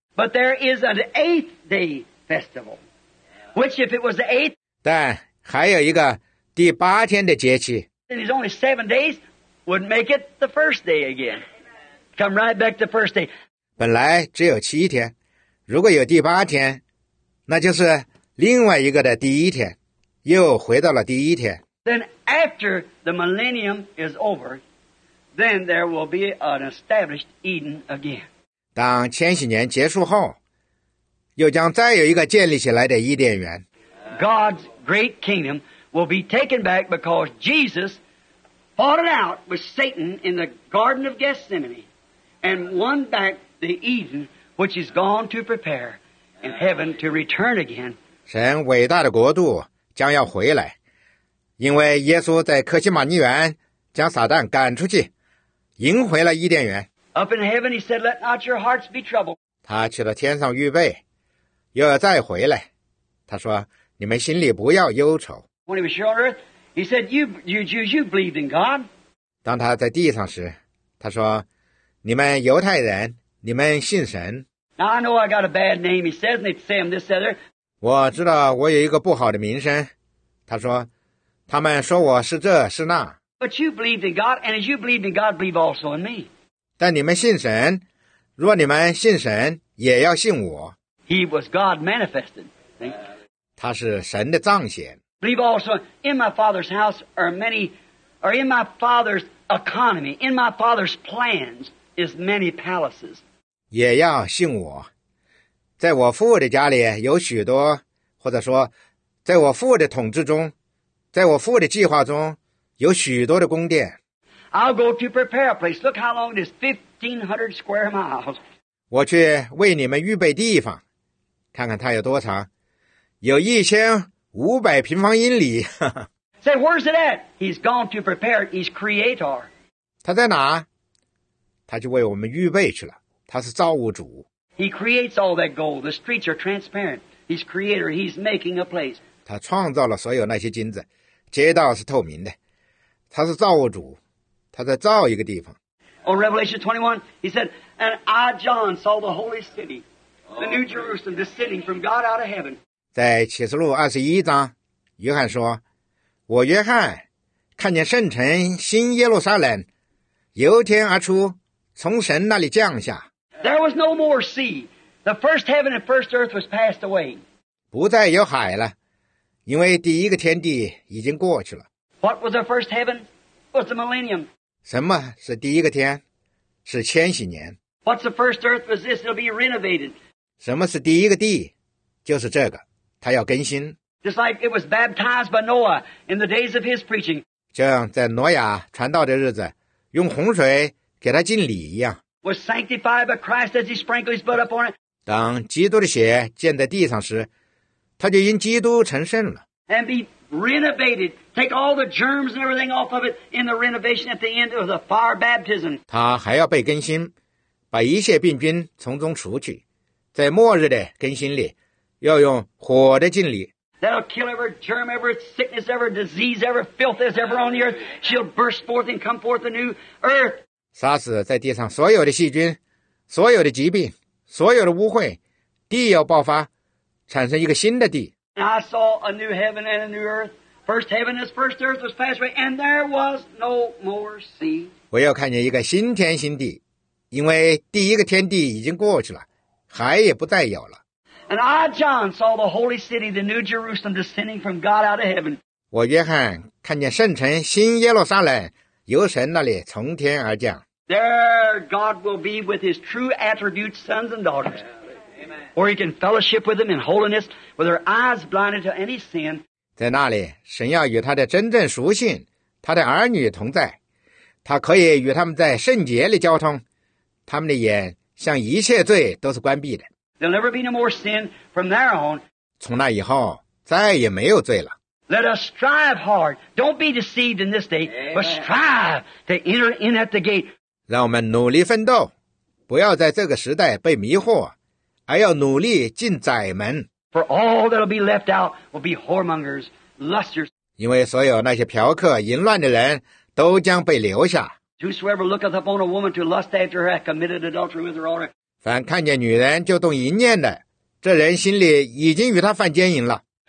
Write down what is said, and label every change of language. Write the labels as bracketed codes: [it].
[en] But there is an eighth day festival, which if it was the eighth, [zh] 但还有一个第八天的节期。 [en] Then it's only 7 days, would make it the first day again. Come right back to first day. [zh] 本来只有七天，如果有第八天，那就是另外一个的第一天，又回到了第一天。 [en] Then after the millennium is over, then there will be an established Eden again. [zh] 当千禧年结束后，又将再有一个建立起来的伊甸园。 [en] God's great kingdom will be taken back because Jesus fought it out with Satan in the Garden of Gethsemane. And won back the Eden, which is gone to prepare in heaven to return again. [zh] 神伟大的国度将要回来，因为耶稣在克西马尼园将撒旦赶出去，赢回了伊甸园。 [en] Up in heaven, he said, "Let not your hearts be troubled." [zh] 他去了天上预备，又要再回来。他说：“你们心里不要忧愁。” [en] When he was here on earth, he said, "You Jews, you believed in God." [zh] 当他在地上时，他说：“你们犹太人，你们信神。” [en] Now I know I got a bad name. He says, and it's Sam this other. [zh] 我知道我有一个不好的名声。他说：“他们说我是这是那。” [en] But you believed in God, and as you believed in God, believe also in me. [zh] 但你们信神，若你们信神，也要信我。 [en] He was God manifested. [zh] 他是神的彰显。 [en] Believe also in my Father's house are many, or in my Father's economy, in my Father's plans is many palaces. [zh] 也要信我，在我父的家里有许多，或者说，在我父的统治中，在我父的计划中有许多的宫殿。 [en] I'll go to prepare a place. Look how long it is, 1,500 square miles. [zh] 我去为你们预备地方，看看它有多长，有1500平方英里。 [en] Say, where's it at? He's gone to prepare. He's creator. [zh] 他在哪？他就为我们预备去了。他是造物主。 [en] He creates all that gold. The streets are transparent. He's creator. He's making a place. [zh] 他创造了所有那些金子，街道是透明的。他是造物主。他在造一个地方。 [en] On Revelation 21, he said, And I, John, saw the holy city, the new Jerusalem, descending from God out of heaven. [zh] 在启示录21章，约翰说，我约翰看见圣城新耶路撒冷由天而出，从神那里降下。 [en] There was no more sea. The first heaven and first earth was passed away. [zh] 不再有海了，因为第一个天地已经过去了。 [en] What was the first heaven? It was the millennium. [zh] 什么是第一个天？是千禧年。 [en] What's the first earth was this? It'll be renovated. [zh] 什么是第一个地？就是这个，它要更新。 [en] Just like it was baptized by Noah in the days of his preaching. [zh] 就像在挪亚传道的日子，用洪水给他敬礼一样。 [en] Was sanctified by Christ as he sprinkled his blood upon it. [zh] 当基督的血溅在地上时，他就因基督成圣了。 [en] And be renovated, take all the germs and everything off of it in the renovation at the end of the fire baptism. [zh] 他还要被更新，把一切病菌从中除去，在末日的更新里，要用火的敬礼。 [en] That'll kill every germ, every sickness, every disease, every filth that's ever on the earth. She'll burst forth and come forth a new earth. [zh] 杀死在地上所有的细菌，所有的疾病，所有的污秽，地要爆发，产生一个新的地。 [en] And I saw a new heaven and a new earth. First heaven as first earth was passed away, and there was no more sea. [zh] 我又看见一个新天新地，因为第一个天地已经过去了，海也不再有了。 [en] And I, John, saw the holy city, the new Jerusalem, descending from God out of heaven. [zh] 我约翰看见圣城新耶路撒冷由神那里从天而降。 [en] There God will be with His true attributes, sons and daughters. Amen. Or He can fellowship with them in holiness, with their eyes blinded to any sin. [zh] 在那里，神要与他的真正属性，他的儿女同在。他可以与他们在圣洁里交通，他们的眼向一切罪都是关闭的。 [en] There'll never be no more sin from there on. [zh] 从那以后，再也没有罪了。 [en] Let us strive hard. Don't be deceived in this day, but strive to enter in at the gate. [zh] 让我们努力奋斗，不要在这个时代被迷惑，而要努力进窄门。 [en] For all that'll be left out will be whoremongers, lusters. [zh] 因为所有那些嫖客、淫乱的人都将被留下。 [en] Whosoever looketh upon a woman to lust after her hath committed adultery with her already. [zh] 凡看见女人就动淫念的，这人心里已经与她犯奸淫了。